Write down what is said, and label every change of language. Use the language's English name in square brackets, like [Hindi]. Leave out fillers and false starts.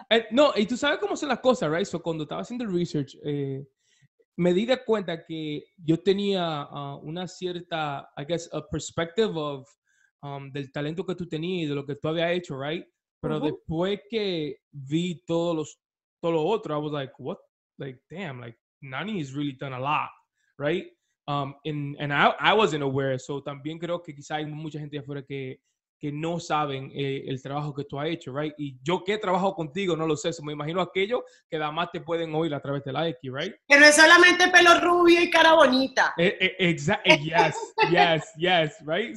[Spanish] No, y tú sabes cómo son las cosas, ¿right? So, cuando estaba haciendo el research, me di de cuenta que yo tenía una cierta, [English] I guess, a perspective of [Spanish] del talento que tú tenías y de lo que tú habías hecho, ¿right? Pero después que vi todo lo otro, [English] I was like, what? Like, damn, like, Nani has really done a lot, right? And I wasn't aware. [Spanish] So también creo que quizá hay mucha gente afuera que no saben el trabajo que tú has hecho, right? Y yo que trabajo contigo, no lo sé. So me imagino aquello que nada más te pueden oír a través de la X, right? Que no es solamente pelo rubio y cara bonita. [English] Yes, right?